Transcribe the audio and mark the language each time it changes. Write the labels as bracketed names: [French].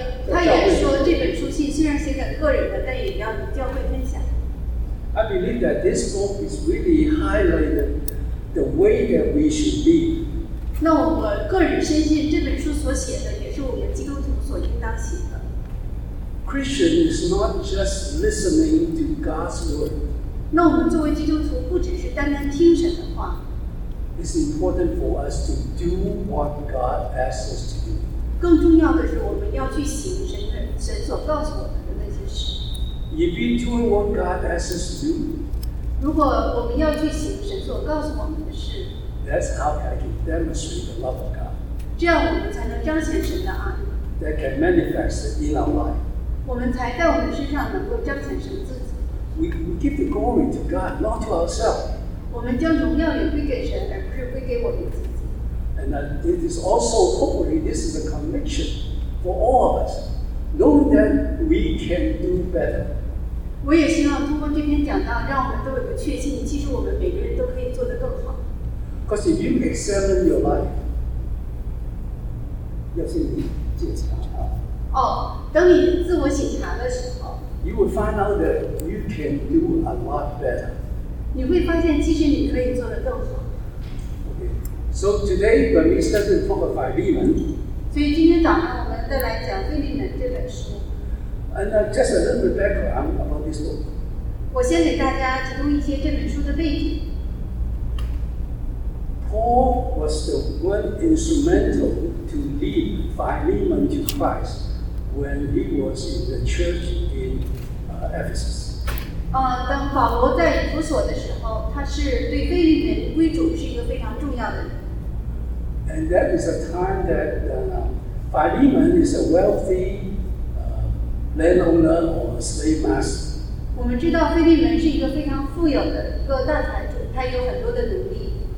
[Chinese] 他也说这本书信虽然写给个人的，但也要与教会分享。 [English] I believe that this book is really highlighting the way that we should live. [Chinese] 那我个人深信这本书所写的也是我们基督徒所应当写的。 [English] Christian is not just listening to God's word. [Chinese] 那我们作为基督徒不只是单单听神的话。 [English] It's important for us to do what God asks us to do. [Chinese] 更重要的是我们要去行神所告诉我们的那些事。 [English] If we do what God asks us to do, [Chinese] 如果我们要去行神所告诉我们的事， [English] that's how I can demonstrate the love of God. [Chinese] 这样我们才能彰显神的爱。 [English] That can manifest in our life. [Chinese] 我们才在我们身上能够彰显神自己。 [English] We give the glory to God, not to ourselves. [Chinese] 我们将荣耀也归给神，而不是归给我们自己。 [English] And it is also, hopefully, this is a conviction for all of us, knowing that we can do better. [Chinese] 我也希望通过这篇讲道，让我们都有个确信，其实我们每个人都可以做得更好。 [English] Because if you examine your life, [Chinese] 要先检查啊。等你自我检查的时候。 [English] You will find out that you can do a lot better. [Chinese] 你会发现，其实你可以做得更好。 [English] Okay. So today, when we study the book of Philemon, [Chinese] 所以今天早上我们再来讲《腓立门》这本书。 [English] And just a little bit background about this book. [Chinese] 我先给大家提供一些这本书的背景。 [English] Paul was the one instrumental to lead Philemon to Christ. When he was in the church in Ephesus. [Chinese] 当保罗在以弗所的时候，他是对腓立门归主是一个非常重要的人。 [English] And that is a time that Philemon is a wealthy landowner or slave master. [Chinese] 我们知道腓立门是一个非常富有的一个大财主，他有很多的奴隶。